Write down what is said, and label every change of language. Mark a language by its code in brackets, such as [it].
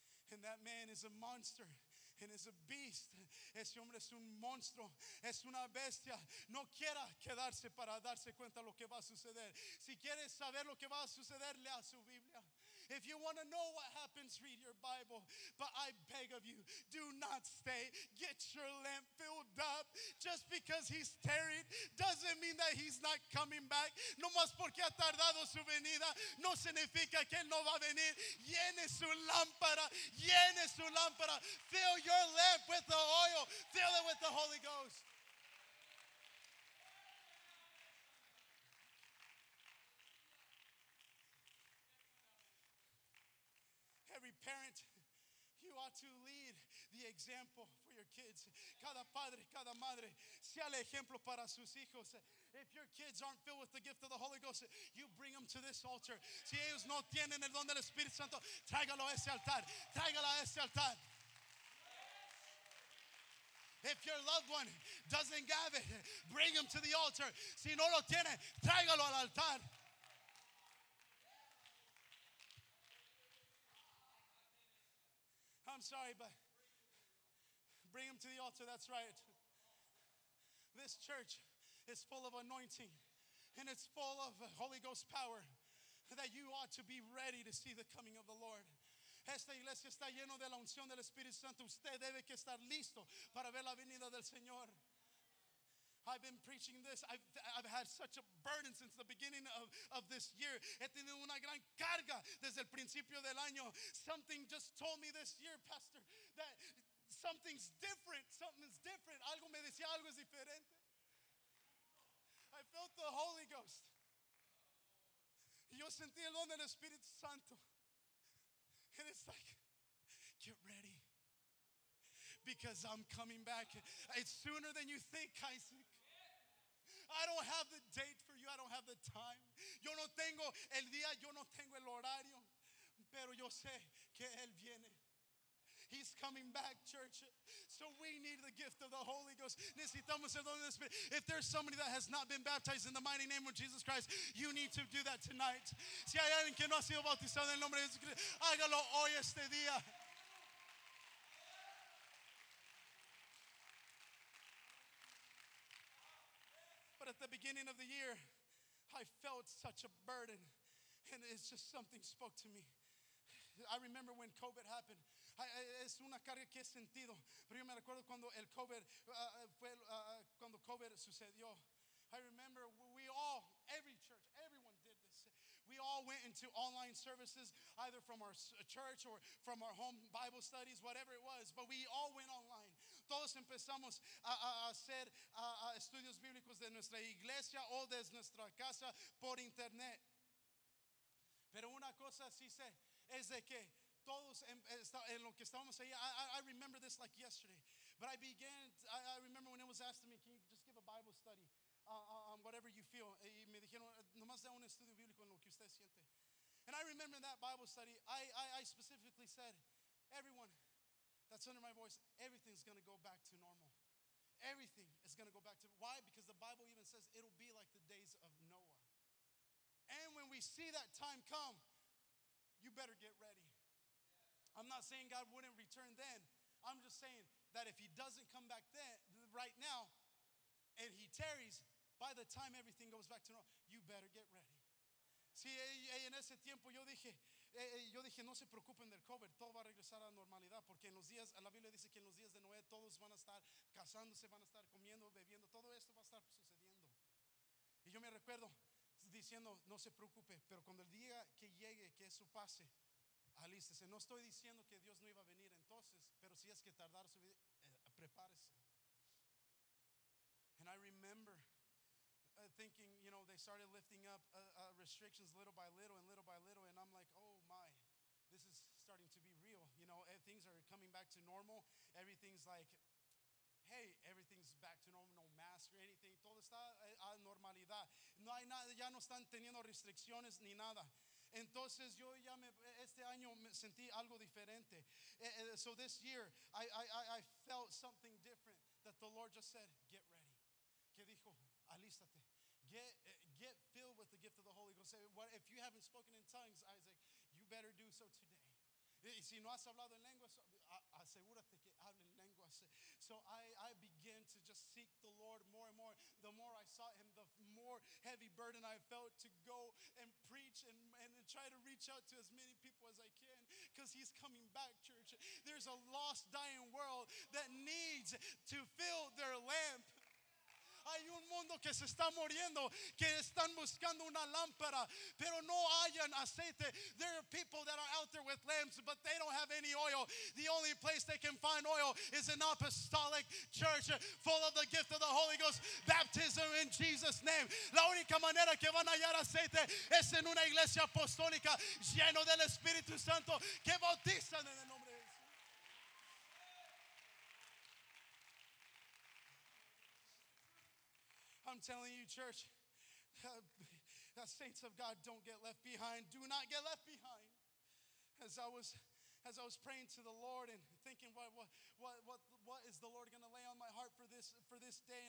[en] And that man is a monster and is a beast. [es] Ese hombre es un monstruo, es una bestia. No quiera quedarse para darse cuenta lo que va a suceder. Si quiere saber lo que va a suceder, lea su Biblia. [en] If you want to know what happens, read your Bible. But I beg of you, do not stay. Get your lamp filled up. Just because he's tarried doesn't mean that he's not coming back. [es] No más porque ha tardado su venida, no significa que él no va a venir. Llene su lámpara. Llene su lámpara. [en] Fill your lamp with the oil. Fill it with the Holy Ghost. Every parent, you ought to lead the example for your kids. [es] Cada padre, cada madre, sea el ejemplo para sus hijos. [en] If your kids aren't filled with the gift of the Holy Ghost, you bring them to this altar. [es] Si ellos no tienen el don del Espíritu Santo, tráigalo a ese altar. Tráigalo a ese altar. [en] If your loved one doesn't have it, bring them to the altar. [es] Si no lo tiene, tráigalo al altar. [en] I'm sorry, but bring him to the altar. That's right. This church is full of anointing, and it's full of Holy Ghost power, that you ought to be ready to see the coming of the Lord. [es] Esta iglesia está lleno de la unción del Espíritu Santo. Usted debe que estar listo para ver la venida del Señor. [en] I've been preaching this. I've had such a burden since the beginning of this year. [es] He tenido una gran carga desde el principio del año. [en] Something just told me this year, Pastor, that something's different. Something's different. [es] Algo me decía, algo es diferente. [en] I felt the Holy Ghost. [es] Yo sentí el don del Espíritu Santo. [en] And it's like, get ready, because I'm coming back. It's sooner than you think, Isaac. I don't have the date for you. I don't have the time. [es] Yo no tengo el día. Yo no tengo el horario. Pero yo sé que Él viene. [en] He's coming back, church. So we need the gift of the Holy Ghost. [es] Necesitamos el don del Espíritu. [en] If there's somebody that has not been baptized in the mighty name of Jesus Christ, you need to do that tonight. [es] Si hay alguien que no ha sido bautizado en el nombre de Jesús Cristo, hágalo hoy este día. [en] But at the beginning of the year, I felt such a burden, and it's just something spoke to me. I remember when COVID happened. [es] Es una carga que he sentido. Pero yo me recuerdo cuando el COVID fue cuando COVID sucedió. [en] I remember we all, every church, everyone did this. We all went into online services, either from our church or from our home Bible studies, whatever it was. But we all went online. [es] Todos empezamos a hacer estudios bíblicos de nuestra iglesia o de nuestra casa por internet. Pero una cosa sí sé. Es de que todos en lo que estábamos ahí, [en] I remember this like yesterday, but I began, I remember when it was asked to me, can you just give a Bible study on whatever you feel? [es] Y me dijeron, nomás da un estudio bíblico en lo que usted siente. [en] And I remember that Bible study, I specifically said, everyone that's under my voice, everything's going to go back to normal. Everything is going to go back to, why? Because the Bible even says it'll be like the days of Noah. And when we see that time come, you better get ready. I'm not saying God wouldn't return then. I'm just saying that if he doesn't come back then, right now, and he tarries, by the time everything goes back to normal, you better get ready. [es] Sí, en ese tiempo yo dije, no se preocupen del COVID, todo va a regresar a normalidad, porque en los días, la Biblia dice que en los días de Noé todos van a estar casándose, van a estar comiendo, bebiendo, todo esto va a estar sucediendo. Y yo me recuerdo diciendo, no se preocupe, pero cuando el día que llegue, que eso pase, alístese. No estoy diciendo que Dios no iba a venir entonces, pero si es que tardar su vida, prepárese. [en] And I remember thinking, you know, they started lifting up restrictions little by little and little by little, and I'm like, oh my, this is starting to be real. You know, things are coming back to normal. Everything's like, hey, everything's back to normal, no mask or anything. [es] Todo está a normalidad. No hay nada, ya no están teniendo restricciones ni nada. Entonces yo ya me, este año me sentí algo diferente. [en] So this year, I felt something different that the Lord just said, get ready. [es] Que dijo, alístate. [en] Get filled with the gift of the Holy Ghost. If you haven't spoken in tongues, Isaac, you better do so today. [es] Y si no has hablado en lenguas, asegúrate que hable en lenguas. [en] So I began to just seek the Lord more and more. The more I sought him, the more heavy burden I felt to go and preach and try to reach out to as many people as I can, because he's coming back, church. There's a lost, dying world that needs to fill their lamp. [es] Hay un mundo que se está muriendo, que están buscando una lámpara, pero no hayan aceite. [en] There are people that are out there with lamps, but they don't have any oil. The only place they can find oil is an apostolic church full of the gift of the Holy Ghost, baptism in Jesus' name. [es] La única manera que van a hallar aceite es en una iglesia apostólica lleno del Espíritu Santo, que bautizan en el nombre de Jesús. [en] I'm telling you, church, the saints of God, don't get left behind. Do not get left behind. As I was praying to the Lord and thinking, what is the Lord going to lay on my heart for this day?